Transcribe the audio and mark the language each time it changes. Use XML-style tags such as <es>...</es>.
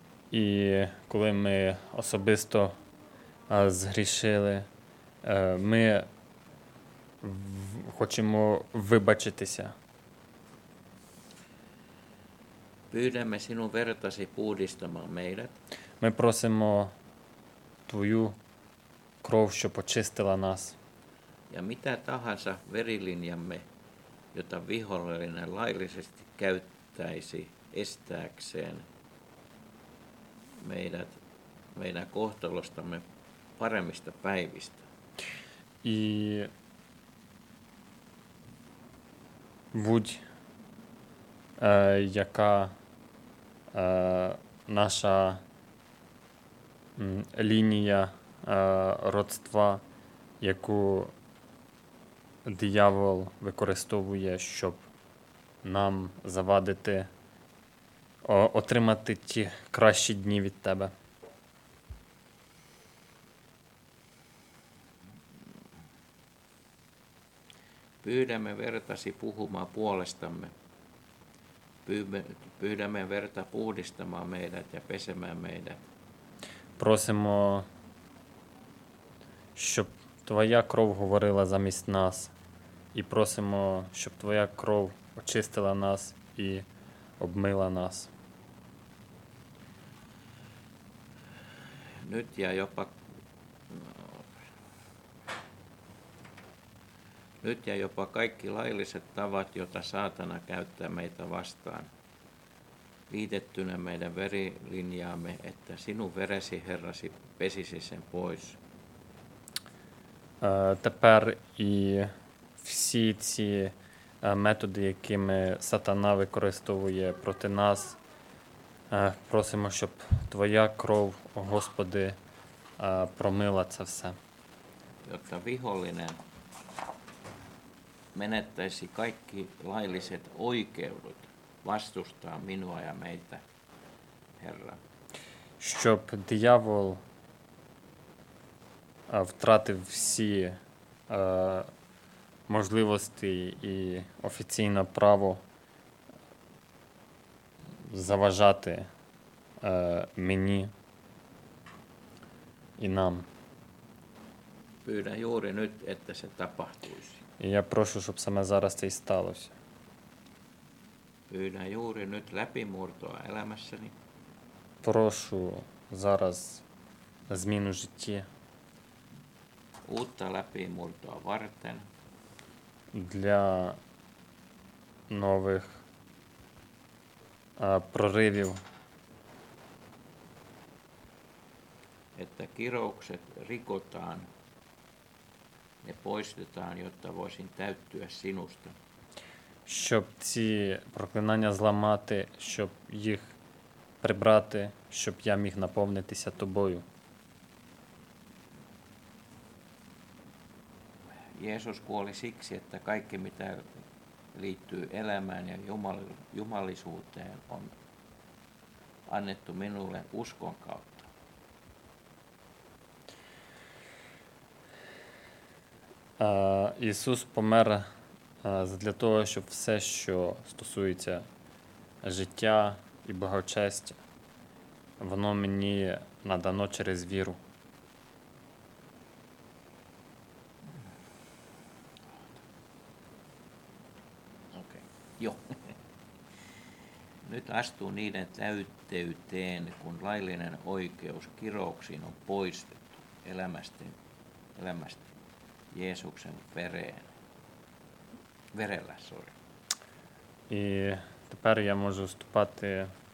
<uk>І коли ми особисто згрішили, ми хочемо вибачитися.</uk> <fi>Pyydämme sinun vertasi puhdistamaan meidät.</fi> <uk>Ми просимо твою кров, що почистила нас.</uk> <fi>Ja mitä tahansa verilinjamme, jota vihollinen laillisesti käyttäisi estääkseen meidän kohtalostamme paremmista päivistä.</fi> <uk>И будь яка наша лінія родства, яку диявол використовує, щоб нам завадити отримати ті кращі дні від тебе.</uk> <fi>Pyydämme vertasi puhumaan puolestamme. Pyydämme verta puhdistamaan meidät ja pesemään meidät.</fi> <uk>Просимо, щоб твоя кров говорила замість нас. І просимо, щоб твоя кров очистила нас і обмила нас.</uk> <fi>Nyt ja jopa kaikki lailliset tavat, joita saatana käyttää meitä vastaan, liitettynä meidän verilinjaamme, että sinun veresi, Herrasi, pesisi sen pois.</fi> <uk>Тепер і всі ці методи, якими сатана використовує проти нас, просимо, щоб твоя кров, Господи, промила це все.</uk> <fi>Jotta vihollinen menettäisi kaikki lailliset oikeudet vastustaa minua ja meitä, Herra.</fi> <uk>Щоб диявол втратив всі можливості і офіційне право заважати мені і нам.</uk> <fi>Pyydän juuri nyt, että se tapahtuisi.</fi> <uk>І я прошу, щоб саме зараз це і сталося.</uk> <fi>Pyydän juuri nyt läpimurtoa elämässäni.</fi> <uk>Прошу зараз зміну життя.</uk> <fi>Uutta läpimurtoa varten.</fi> <uk>Для нових проривів.</uk> <fi>Että kiroukset rikotaan. Ne poistetaan, jotta voisin täyttyä sinusta.</fi> <uk>Щоб ці проклинання зламати, щоб їх прибрати, щоб я міг наповнитися тобою.</uk> <fi>Jeesus kuoli siksi, että kaikki mitä liittyy elämään ja jumalisuuteen on annettu minulle uskon kautta.</fi> <uk>Ісус помер для того, щоб все, що стосується життя і благочестя, воно мені надано через віру. Okay. Jo.</uk> <fi>Nyt astuu niiden täytteyteen, kun laillinen oikeus kirouksiin on poistettu elämästä. Jeesuksen vereen. Verellä, sorry.</fi> <uk>І тепер я можу вступати</uk>